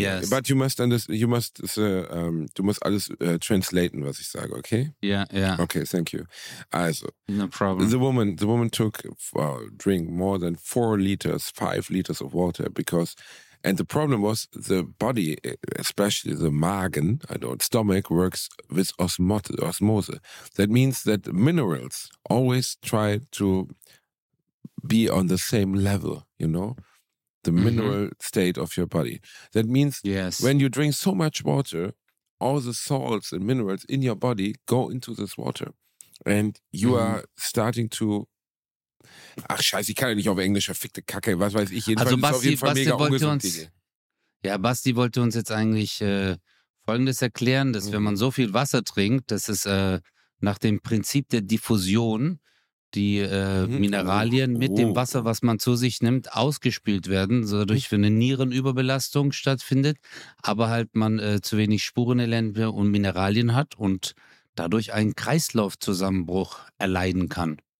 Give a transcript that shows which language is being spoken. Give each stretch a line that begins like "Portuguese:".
English: But
German: du musst alles translaten, was ich sage, okay?
English: Yeah. Okay, thank you. Also, no problem. The woman took, drink more than 4 liters, 5 liters of water because, and the problem was the body, especially the magen, I don't know, stomach works with osmose. That means that minerals always try to be on the same level, you know, the mineral state of your body. That means when you drink so much water, all the salts and minerals in your body go into this water and you are starting to.
German: Ach scheiße, ich kann ja nicht auf Englisch, verfickte Kacke, was weiß ich. Jedenfalls also Basti, ist auf jeden Fall Basti mega wollte uns, ja, Basti wollte uns jetzt eigentlich Folgendes erklären, dass wenn man so viel Wasser trinkt, dass es nach dem Prinzip der Diffusion die Mineralien mit dem Wasser, was man zu sich nimmt, ausgespült werden, dadurch für eine Nierenüberbelastung stattfindet, aber halt man zu wenig Spurenelemente und Mineralien hat und dadurch einen Kreislaufzusammenbruch erleiden kann.